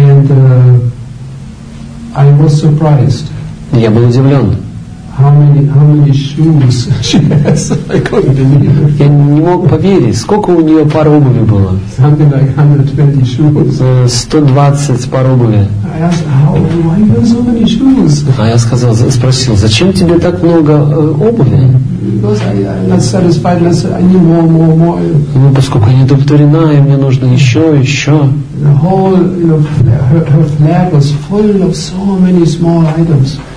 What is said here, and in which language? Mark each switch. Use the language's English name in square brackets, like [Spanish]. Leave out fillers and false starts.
[English] And I was surprised. [Russian] Я был удивлен. [English] How many shoes she has? I couldn't believe it. [Russian] Я не мог поверить, сколько у нее пар обуви было. [English] Something like 120 shoes. [Russian] 120 пар обуви. [English] I asked, why do you have so many shoes? [Russian] А я сказал, спросил, зачем тебе так много обуви? [English] Because I'm not satisfied. I need more. [Russian] Ну, поскольку я недовольна, и мне нужно еще. [English] The whole, her flat was full of so many small items.